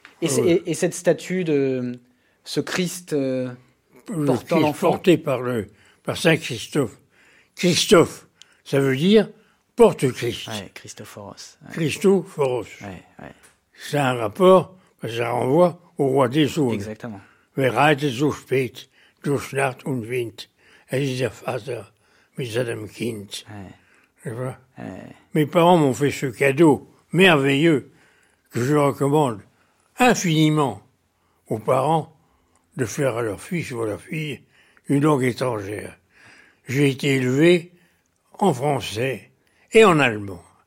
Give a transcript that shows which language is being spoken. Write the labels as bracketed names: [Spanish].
[French] Et cette statue de ce Christ portant Christ l'enfant. Porté par Saint-Christophe. Christophe, ça veut dire porte-Christ. Ouais, Christophoros. Ouais. Christophoros. Ouais, ouais. C'est un rapport, ça renvoie... Au roi des ondes. Exactement. [German] Verreite so spät durch Nacht und Wind, es ist der Vater mit seinem Kind. [French] Mes parents m'ont fait ce cadeau merveilleux que je recommande infiniment aux parents de faire à leur fils ou à leur fille une langue étrangère. J'ai été élevé en français et en allemand.